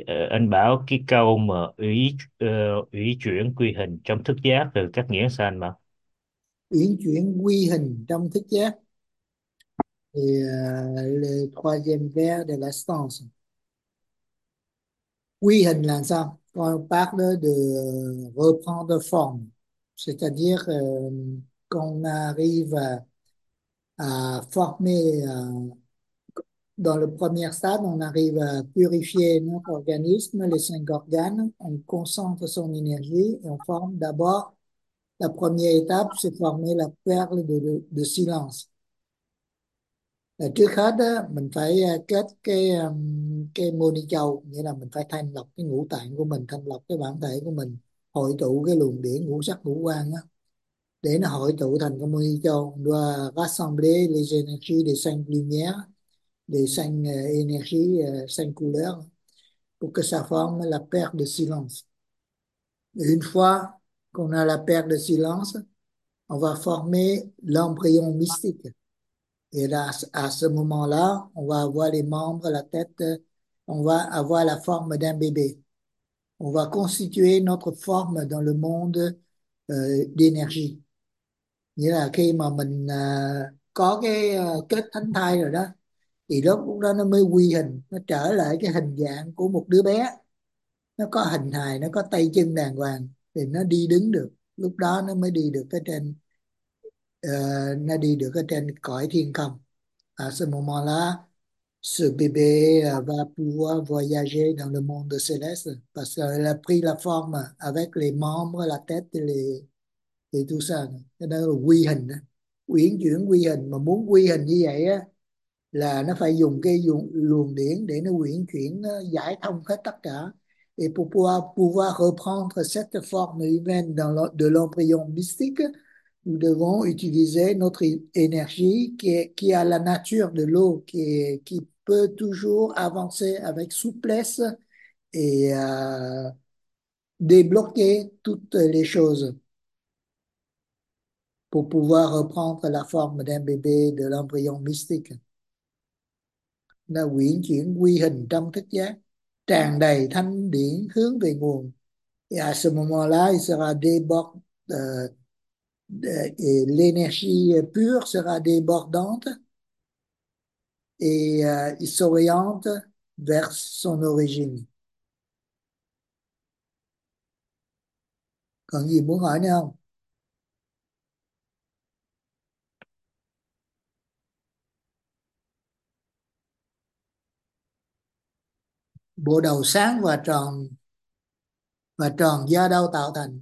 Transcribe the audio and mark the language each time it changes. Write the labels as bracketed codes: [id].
[vi] Anh bảo cái câu mà ý chuyển quy hình trong thức giác từ các nghĩa sao anh bảo? Uyển chuyển quy hình trong thức giác thì [fr] le troisième vers de l'essence. [vi] Quy hình là sao? [fr] On parle de reprendre forme, c'est-à-dire qu'on arrive à former dans le premier stade, on arrive à purifier notre organisme, les cinq organes, on concentre son énergie et on forme d'abord. La première étape, c'est former la perle de silence. [vi] Trước hết, mình phải kết cái mô ni châu, nghĩa là mình phải thanh lọc cái ngũ tạng của mình, thanh lọc cái bản thể của mình, hội tụ cái luồng điển ngũ sắc ngũ quang đó, để nó hội tụ thành cái mô ni châu, và [fr] rassembler les énergies de cinq lumières, de cinq énergies, cinq couleurs, pour que ça forme la perle de silence. Et une fois qu'on a la perle de silence, on va former l'embryon mystique. Et là, à ce moment-là, on va avoir les membres, la tête, on va avoir la forme d'un bébé. On va constituer notre forme dans le monde d'énergie. [vi] Nghĩa là khi mà mình có cái kết thánh thai rồi đó, thì lúc đó nó mới quy hình, nó trở lại cái hình dạng của một đứa bé. Nó có hình hài, nó có tay chân đàng hoàng, thì nó đi đứng được, lúc đó nó mới đi được ở trên nó đi được ở trên cõi thiên không. [fr] À ce moment-là, ce bébé va pouvoir voyager dans le monde céleste parce qu'elle a pris la forme avec les membres, la tête et tout ça. [vi] Cái đó là quy hình, uyển chuyển quy hình. Mà muốn quy hình như vậy á là nó phải dùng cái luồng điển để nó uyển chuyển, nó giải thông hết tất cả. [fr] Et pour pouvoir reprendre cette forme humaine de l'embryon mystique, nous devons utiliser notre énergie qui a la nature de l'eau, qui peut toujours avancer avec souplesse et débloquer toutes les choses pour pouvoir reprendre la forme d'un bébé de l'embryon mystique. [vi] Là uyển chuyển quy hình trong thức giác, tràn đầy thanh điển hướng về nguồn. [fr] Et à ce moment-là, il sera débordé, l'énergie pure sera débordante et il s'oriente vers son origine. [vi] Còn gì muốn hỏi nữa không? Bộ đầu sáng và tròn, và tròn do đâu tạo thành?